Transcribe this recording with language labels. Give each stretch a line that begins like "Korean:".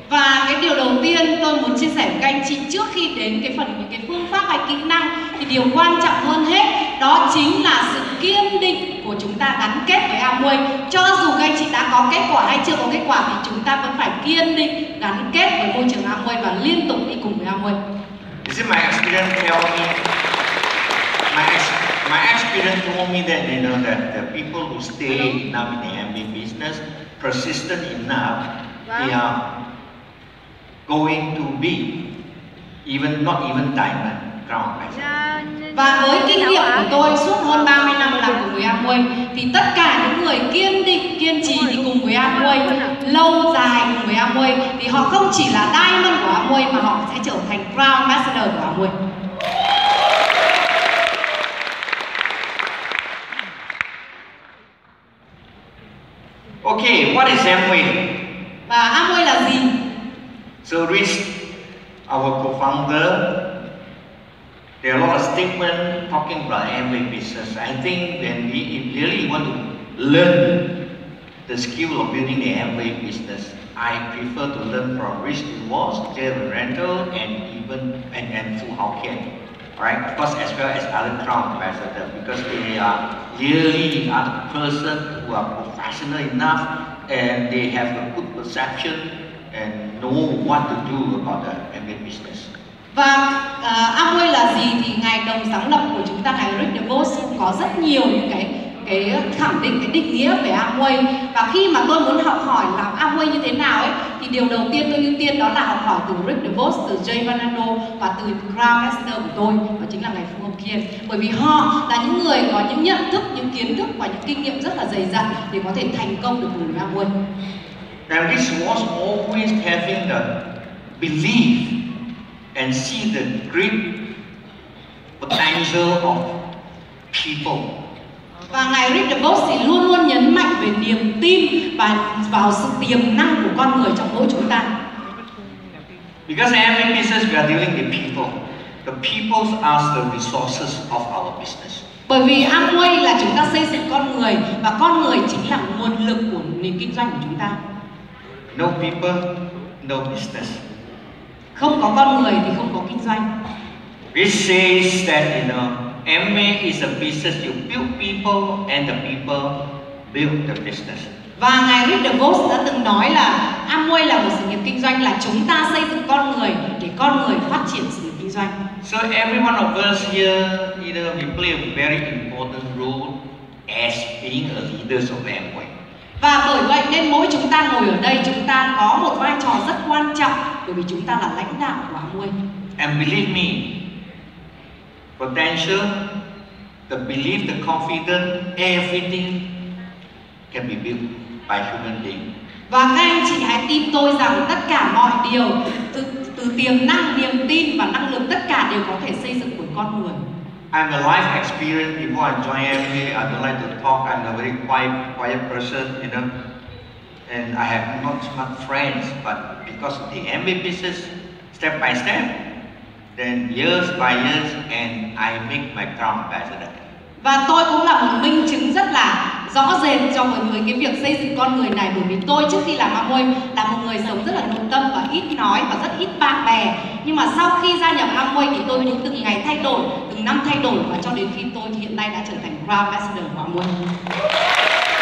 Vietnamese: Và cái điều đầu tiên tôi muốn chia sẻ với các anh chị trước khi đến cái phần những cái phương pháp hay kỹ năng, thì điều quan trọng hơn hết đó chính là sự kiên định của chúng ta gắn kết với Amway. Cho dù các anh chị đã có kết quả hay chưa có kết quả thì chúng ta vẫn phải kiên định gắn kết với môi trường Amway và liên tục đi cùng với Amway.
English: Is it my experience tell me? My experience told me that, you know, that the people who stay enough in the Amway business, persistent enough, they are going to be even not even diamond crown.
Vietnamese: Và với kinh nghiệm của tôi suốt hơn 30 năm làm cùng với Amway, thì tất cả những người kiên định, kiên trì thì cùng với Amway lâu dài cùng với Amway, thì họ không chỉ là diamond của Amway mà họ sẽ trở thành crown ambassador của Amway.
English: Okay, what is Amway?
Vietnamese: Và Amway là gì?
English: So Rich, our co-founder, there are a lot of statements talking about Amway business. I think when we really want to learn the skill of building the Amway business, I prefer to learn from Rich DeVos, Jeremy Randall, and even and Fu Hao Kien, right? Of course, as well as Alan Crown Ambassador, because they are really a person who are professional enough and they have a good perception and know what to do about the Amway business.
Vietnamese: Và Amway là gì thì ngài đồng sáng lập của chúng ta, ngài Rick DeVos, có rất nhiều những cái khẳng định cái định nghĩa về Amway. Và khi mà tôi muốn học hỏi làm Amway như thế nào ấy, thì điều đầu tiên tôi ưu tiên đó là học hỏi từ Rick DeVos, từ Jay Vanano và từ Crown Master của tôi, đó chính là Ngài Phương Hồng Kiên. Bởi vì họ là những người có những nhận thức, những kiến thức và những kinh nghiệm rất là dày dặn để có thể thành công được cùng với Amway.
English: Now this was always having the belief and see the great potential of people.
Vietnamese: Và Ngài Rick DeVos thì luôn luôn nhấn mạnh về niềm tin và vào sự tiềm năng của con người trong mỗi chúng ta.
English: Because every business we are dealing with people, the people are the resources of our business.
Vietnamese: Bởi vì Amway là chúng ta xây dựng con người và con người chính là nguồn lực của nền kinh doanh của chúng ta.
English: No people, no business.
Vietnamese: Không có con người thì không có kinh doanh.
English: It says that you know, MA is a business you build people and the people build the business.
Vietnamese: Và Ngài Rick DeVos đã từng nói là Amway là một sự nghiệp kinh doanh, là chúng ta xây dựng con người để con người phát triển sự nghiệp kinh doanh.
English: So every one of us here, you know, we play a very important role as being a leaders of Amway.
Vietnamese: Và bởi vậy nên mỗi chúng ta ngồi ở đây, chúng ta có một vai trò rất quan trọng bởi vì chúng ta là lãnh đạo của Amway.
English: And believe me, potential, the belief, the confidence, everything can be built by human being.
Vietnamese: Và các anh chị hãy tin tôi rằng tất cả mọi điều từ tiềm năng, niềm tin và năng lực, tất cả đều có thể xây dựng bởi con người.
English: I'm a life experience. Before I join MBA, I don't like to talk. I'm a very quiet person, you know. And I have not much friends, but because of the MBA business, step by step, then years by years, and I make my crown president.
Vietnamese: Và tôi cũng là một minh chứng rất là rõ rệt cho mọi người cái việc xây dựng con người này, bởi vì tôi trước khi làm Amway là một người sống rất là nội tâm và ít nói và rất ít bạn bè. Nhưng mà sau khi gia nhập Amway thì tôi đã từng ngày thay đổi, từng năm thay đổi, và cho đến khi tôi thì hiện nay đã trở thành crown president của Amway.